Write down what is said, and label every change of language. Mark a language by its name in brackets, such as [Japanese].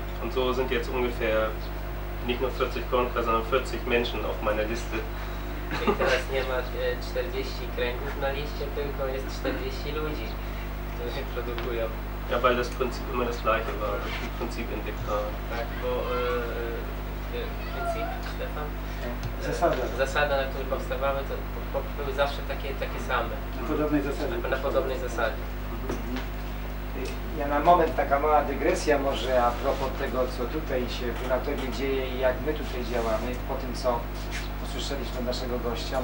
[German] Und so sind jetzt ungefähr nicht nur 40 Kornkreise, sondern 40 Menschen auf meiner Liste. [Polish] Czyli teraz nie ma 40 kręgów na liście, tylko jest 40 ludzi, którzy produkują. [German] Ja, weil das Prinzip immer das gleiche war, das Prinzip entdeckt war. [Polish] Tak, bo Prinzip, Stefan? Zasada. Zasada, na której powstawały, to były zawsze takie same. Na podobnej zasadzie. Na podobnej zasadzie. Ja na moment, taka mała dygresja może a propos tego, co tutaj się w Natowie dzieje i jak my tutaj działamy, po tym, co usłyszeliśmy od naszego gościa.